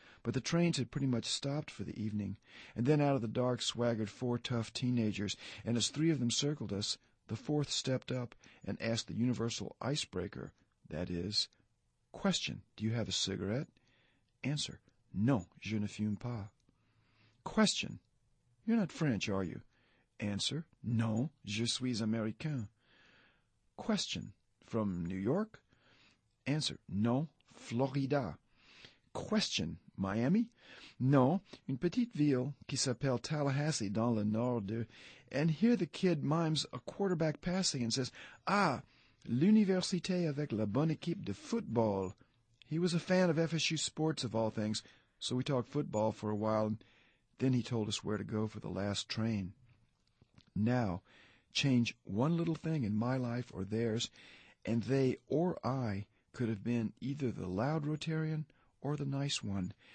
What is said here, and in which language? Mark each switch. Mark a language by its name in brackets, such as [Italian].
[English] But the trains had pretty much stopped for the evening, and then out of the dark swaggered 4 tough teenagers, and as 3 of them circled us, the 4th stepped up and asked the universal icebreaker, that is, question, do you have a cigarette? Answer, [French] non, je ne fume pas. [English] Question, you're not French, are you? Answer, [French] non, je suis américain. [English] Question, from New York? Answer, non, Florida. Question, Miami? [French] Non, une petite ville qui s'appelle Tallahassee dans le nord de... [English] And here the kid mimes a quarterback passing and says, [French] ah, l'université avec la bonne équipe de football. [English] He was a fan of FSU sports, of all things, so we talked football for a while, and then he told us where to go for the last train. Now, change one little thing in my life or theirs, and they or I could have been either the loud Rotarian or the nice one.